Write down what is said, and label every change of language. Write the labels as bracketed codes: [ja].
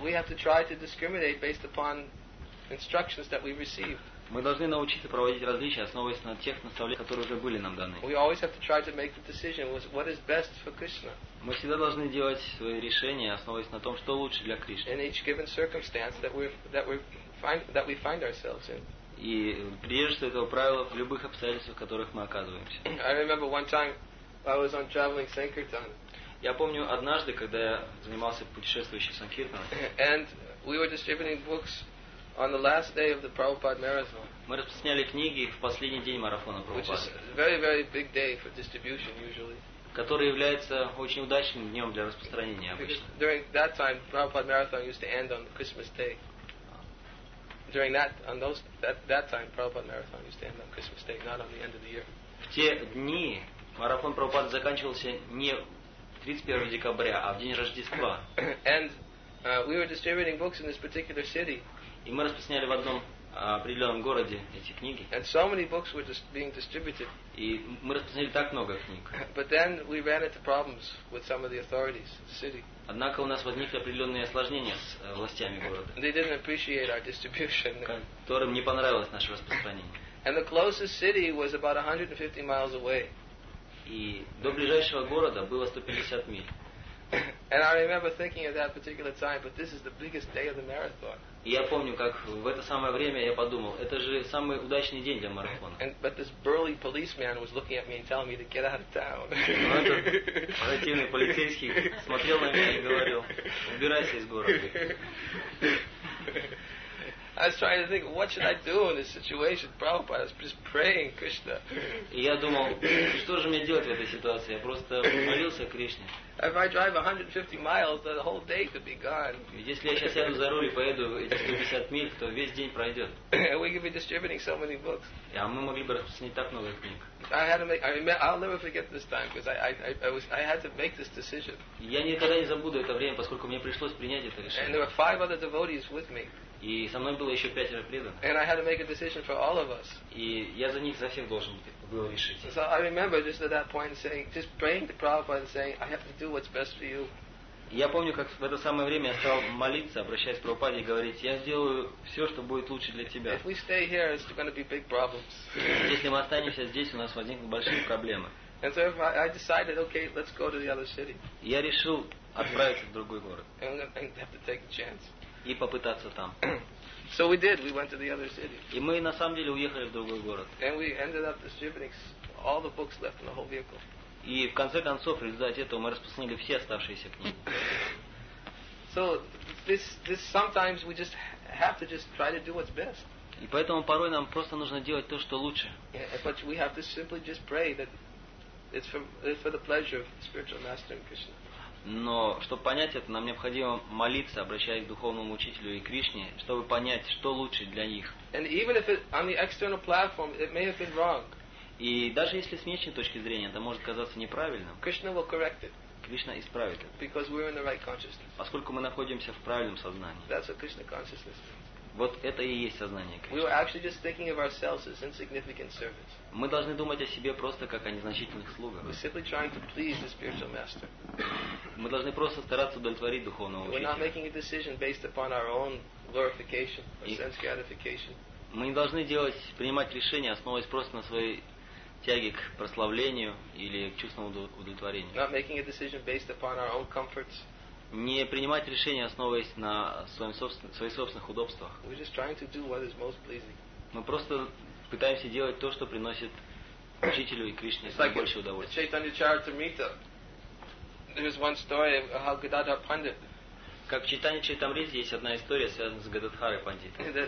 [en] we have to try to discriminate based upon instructions that we received. [ru] Мы должны научиться проводить различия, основываясь на тех наставлениях, которые уже были нам даны. [en] We always have to try to make the decision what is best for Krishna. [ru] Мы всегда должны делать свои решения, основываясь на том, что лучше для Кришны. [en] In each given circumstance that we find ourselves in. [ru] И придерживаться этого правила в любых обстоятельствах, в которых мы оказываемся. [en] I remember one time I was on traveling Sankirtan. [ru] Я помню однажды, когда я занимался путешествующим Санкиртаном. [en] And we were distributing books on the last day of the Prabhupada marathon. [ru] Мы распространяли книги в последний день марафона Прабхупады. [en] Which is a very, very big day for distribution usually. [ru] который является очень удачным днем для распространения обычно. [en] During that time, Prabhupada Marathon used to end on Christmas Day. During that, on those, that time, Prabhupada Marathon used to end on Christmas Day, not on the end of the year. [ru] В те дни марафон Прабхупады заканчивался не 31 декабря, а в день Рождества. [en] And we were distributing books in this particular city. [ru] И мы распространяли в одном определенном городе эти книги. [en] And so many books were just being distributed. [ru] И мы распространили так много книг. [en] But then we ran into problems with some of the authorities, the city. [ru] Однако у нас возникли определенные осложнения с властями города. [en] They didn't appreciate our distribution. [ru] Которым не понравилось наше распространение. [en] And the closest city was about 150 miles away. [ru] И до ближайшего города было 150 миль. [en] And I remember thinking at that particular time, but this is the biggest day of the marathon. [ru] Я помню, как в это самое время я подумал, это же самый удачный день для марафона. [en] And but this burly policeman was looking at me and telling me to get out of town. [ru] Противный полицейский смотрел на меня и говорил: убирайся из города. [en] I was trying to think, what should I do in this situation? Prabhupada, I was just praying Krishna. [ru] Я думал, что же мне делать в этой ситуации? Я просто молился Кришне. [en] If I drive 150 miles, the whole day could be gone. [ru] Если я сейчас сяду за руль и поеду эти 150 миль, то весь день пройдет. [en] We could be distributing so many books. [ru] Yeah, мы могли бы распространить так много книг. [en] I'll never forget this time because I had to make this decision. [ru] Я никогда не забуду это время, поскольку мне пришлось принять это решение. [en] And there were five other devotees with me. [ru] И со мной было еще пятеро преданных. [en] And I had to make a decision for all of us. [ru] И я за них за всех должен был решить. [en] So I remember just at that point saying, just praying to Prabhupada and saying, I have to do what's best for you. [ru] Я помню, как в это самое время я стал молиться, обращаясь к Прабхупаде и говорить: я сделаю все, что будет лучше для тебя. [en] If we stay here, it's going to be big problems. [ru] Если мы останемся здесь, у нас возникнут большие проблемы. [en] And so I decided, okay, let's go to the other city. [ru] Я решил отправиться в другой город. [en] And I have to take a chance. [ru] И попытаться там. [en] So we did. We went to the other city. [ru] И мы на самом деле уехали в другой город. [en] And we ended up distributing all the books left in the whole vehicle. [ru] И в конце концов, в результате этого, мы распространили все оставшиеся книги. [en] So this sometimes we just have to just try to do what's best. [ru] И поэтому порой нам просто нужно делать то, что лучше. [en] Yeah, but we have to simply just pray that it's for the pleasure of the spiritual master and Krishna. [ru] Но, чтобы понять это, нам необходимо молиться, обращаясь к Духовному Учителю и Кришне, чтобы понять, что лучше для них. [en] And even if it, on the external platform, it may have been wrong. [ru] И даже если с внешней точки зрения это может казаться неправильным, [en] Krishna will correct it. [ru] Кришна исправит это. [en] Because we're in the right consciousness. [ru] Поскольку мы находимся в правильном сознании. [en] That's what Krishna consciousness means. [ru] Вот это и есть сознание Кришны. [en] We were actually just thinking of ourselves as insignificant servants. [ru] Мы должны думать о себе просто как о незначительных слугах. [en] We're simply trying to please the spiritual master. [ru] Мы должны просто стараться удовлетворить духовного учителя. [en] We're not making a decision based upon our own glorification or sense gratification. [ru] Мы не должны принимать решения, основываясь просто на своей тяге к прославлению или к чувственному удовлетворению. [en] Not making a decision based upon our own comforts. [ru] Не принимать решения, основываясь на своих собственных удобствах. [en] We're just trying to do what is most pleasing. [ru] Мы просто пытаемся делать то, что приносит учителю и Кришне больше удовольствия. [en] It's like Chaitanya Charitamrita. There is one story of how Gadadhar Pandit. [ru] Как в Чайтанья Чайтамрите есть одна история, связанная с Гададхарой Пандитом.